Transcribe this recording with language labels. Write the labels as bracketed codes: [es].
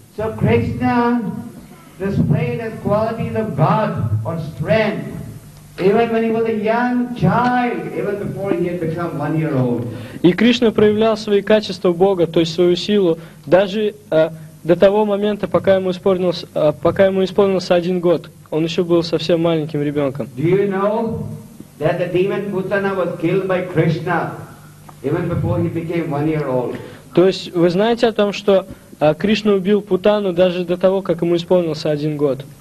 [en] So Krishna displayed his qualities of God or strength. Even when he was a young child, even before he had become 1 year old. [ru] И Кришна проявлял свои качества Бога, то есть свою силу, даже до того момента, пока ему исполнился 1 год. Он еще был совсем маленьким ребенком. [en] Do you know that the demon Putana was killed by Krishna even before he became 1 year old? [ru] То есть вы знаете о том, что Кришна убил Путану даже до того, как ему исполнился 1 год?